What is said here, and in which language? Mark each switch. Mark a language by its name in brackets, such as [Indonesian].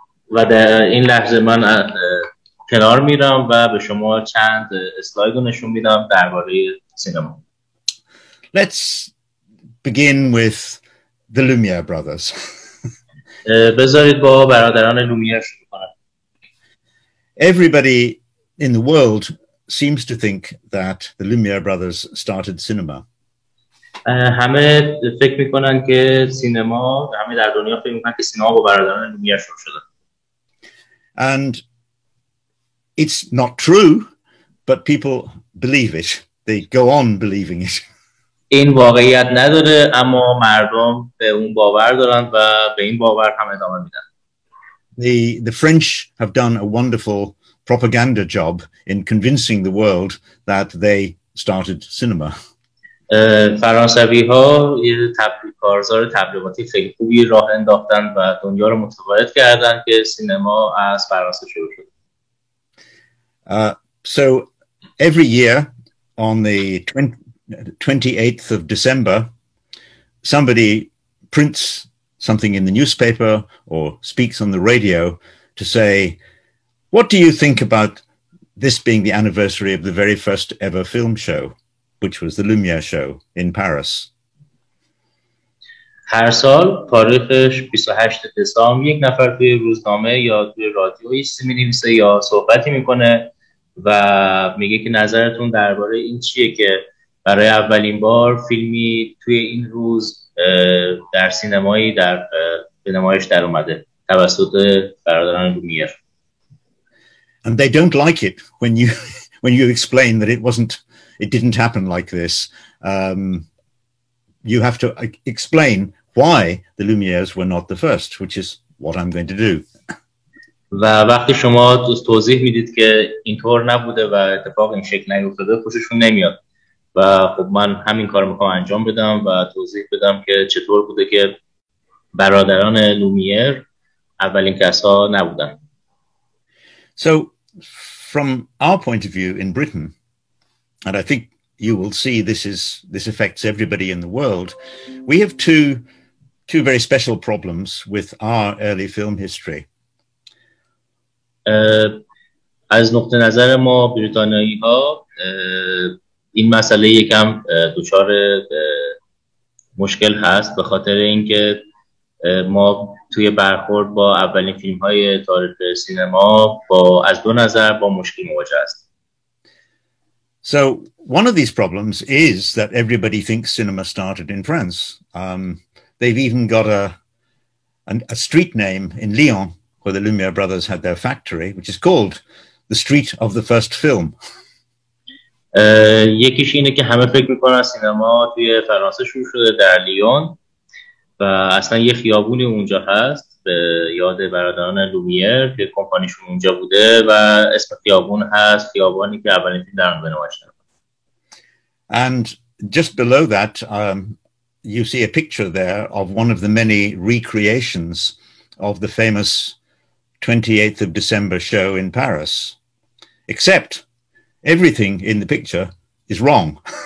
[Persian] و در این لحظه من کنار میرم و به شما چند اسلاید رو نشون میدم درباره سینما. [English] Let's begin with the Lumiere brothers. [Persian] بذارید با برادران لومیر شروع کنم. [English] Everybody in the world seems to think that the Lumiere brothers started cinema. [Persian] همه فکر میکنن که سینما، همه در دنیا فکر میکنن که سینما با برادران لومیر شروع شده. [English] And it's not true, but people believe it. They go on believing it. [Persian] این واقعیت نداره، اما مردم به اون باور دارن و به این باور هم ادامه میدن. [English] The French have done a wonderful propaganda job in convincing the world that they started cinema. [Persian] فرانسوی ها کارزار تبلیغاتی خیلی خوبی راه انداختن و دنیا رو متقاعد کردن که سینما از فرانسه شروع شد. [English] So every year on the 28th of December, somebody prints something in the newspaper or speaks on the radio to say, what do you think about this being the anniversary of the very first ever film show, which was the Lumiere show in Paris? [Persian] هر سال تاریخش 28 دسامبر یک نفر توی روزنامه یا توی رادیو می‌نویسه یا صحبتی می‌کنه و میگه که نظرتون درباره این چیه که برای اولین بار فیلمی توی این روز در سینمایی در به نمایش در اومده توسط برادران لومیر. [English] And they don't like it when you explain that it wasn't it didn't happen like this. You have to explain why the Lumières were not the first, which is what I'm going to do. [Persian] و وقتی شما توضیح میدید که اینطور نبوده و اتفاق این شکل نیفتاده خوششون نمیاد و خب من همین کار میخوام انجام بدم و توضیح بدم که چطور بوده که برادران لومیر اولین کسا نبودن. [English] So from our point of view in Britain, and I think you will see this affects everybody in the world, we have two very special problems with our early film history. [Persian] از نقطه نظر ما بریتانیایی ها این مسئله یکم دچار مشکل هست به خاطر اینکه ما توی برخورد با اولین فیلم های تاریخ سینما با از دو نظر با مشکل مواجه است. [English] So one of these problems is that everybody thinks cinema started in France. They've even got a street name in Lyon where the Lumière brothers had their factory, which is called the street of the first film. [Persian] یکیش اینه که همه فکر میکنن سینما توی فرانسه شروع شده در لیون و اصلا یه خیابونی اونجا هست به یاد برادران لومیر که کمپانیشون اونجا بوده و اسم خیابون هست خیابونی که اولین فیلم در اون نمایشه. [English] And just below that, you see a picture there of one of the many recreations of the famous 28th of December show in Paris, except everything in the picture is wrong.